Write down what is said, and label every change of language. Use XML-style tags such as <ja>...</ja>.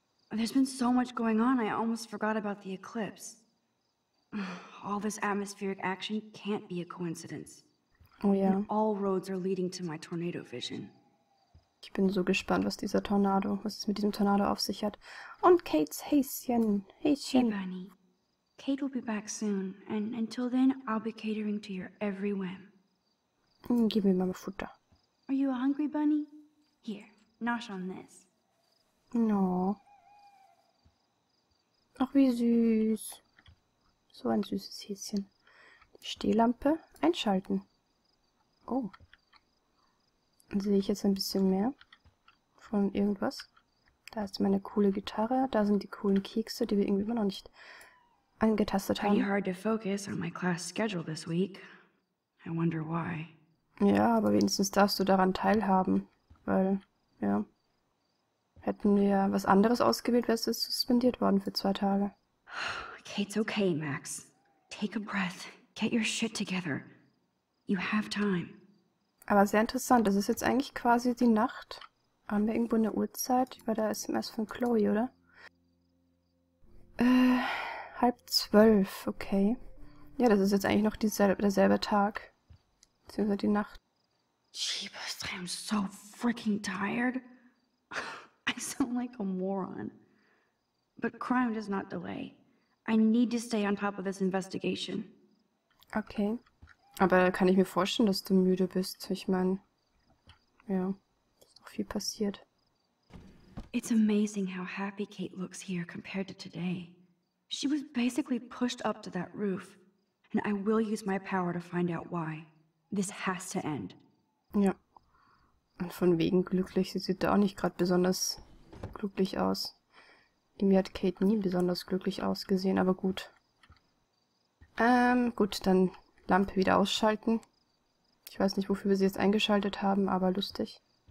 <en>There's been so much going on, I almost forgot about the eclipse. All this atmospheric action can't be a coincidence. Oh And</en> <de>ja.</de> <en>all roads are leading to my tornado vision.</en> <de>Ich bin so gespannt, was es mit diesem Tornado auf sich hat. Und Kates Häschen.</de> <en>Hey</en> <de>Häschen.</de> <en>Bunny, Kate will be back soon, and until then I'll be catering to your every whim.</en> <de>Gib mir mal Futter.</de> <en>Are you a hungry bunny? Here, nosh on this. No.</en> <de>Ach, wie süß. So ein süßes Häschen. Stehlampe einschalten. Oh. Dann sehe ich jetzt ein bisschen mehr von irgendwas. Da ist meine coole Gitarre. Da sind die coolen Kekse, die wir irgendwie immer noch nicht angetastet</de> <en>Pretty</en> <de>haben.</de> <en>hard to focus on my class schedule this week. I wonder why.</en> <de>Ja, aber wenigstens darfst du daran teilhaben. Weil, ja. Hätten wir was anderes ausgewählt, wärst du suspendiert worden für 2 Tage.</de> <en>Kate's okay, Max. Take a breath. Get your shit together. You have time.</en> <de>Aber sehr interessant, das ist jetzt eigentlich quasi die Nacht. Haben wir irgendwo eine Uhrzeit bei der SMS von Chloe, oder? 11:30, okay. Ja, das ist jetzt eigentlich noch derselbe Tag. Beziehungsweise die Nacht.</de> <en>Jeepers, I am so freaking tired. I sound like a moron. But crime does not delay. I need to stay on top of this investigation. Okay.</en> <de>Aber kann ich mir vorstellen, dass du müde bist? Ich meine, ja, ist auch viel passiert.</de> <en>It's amazing how happy Kate looks here compared to today. She was basically pushed up to that roof. And I will use my power to find out why. This has to end.</en> <de>Ja. Und von wegen glücklich, sie sieht da auch nicht gerade besonders glücklich aus. Mir hat Kate nie besonders glücklich ausgesehen, aber gut. Gut, dann Lampe wieder ausschalten. Ich weiß nicht, wofür wir sie jetzt eingeschaltet haben, aber lustig.</de>